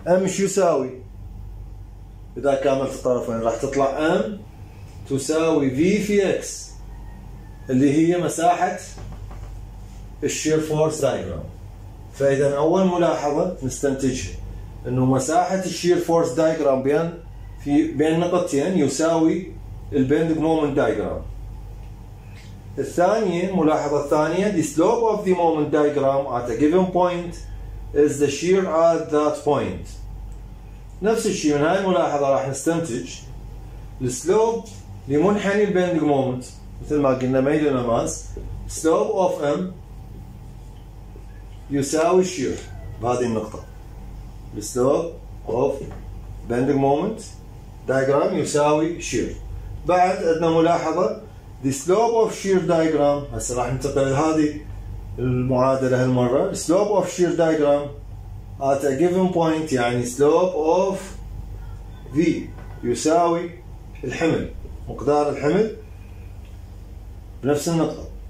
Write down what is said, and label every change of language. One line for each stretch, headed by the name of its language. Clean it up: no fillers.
Arabic: ام ايش يساوي اذا كامل في الطرف وين؟ راح تطلع ام تساوي في في اكس، اللي هي مساحه الشير فورس دايجرام. فاذا اول ملاحظه نستنتجها انه مساحه الشير فورس دايجرام بين نقطتين يساوي البندنج مومنت دايجرام. الثانية، ملاحظة ثانية:
English: The slope of the moment diagram at a given point is the shear at that point.
Arabic: نفس الشيء من هاي الملاحظة راح نستنتج السلوب لمنحني البندنج مومنت، مثل ما قلنا ميل المماس،
English: slope of M
Arabic: يساوي الشير بهذه النقطة.
English: slope of bending moment diagram
Arabic: يساوي شير. بعد عندنا ملاحظة:
English: The slope of shear diagram.
Arabic: هسه راح ننتقل هذه المعادلة هالمرة.
English: Slope of shear diagram at a given point،
Arabic: يعني
English: slope of V
Arabic: يساوي الحمل، مقدار الحمل بنفس النقطة.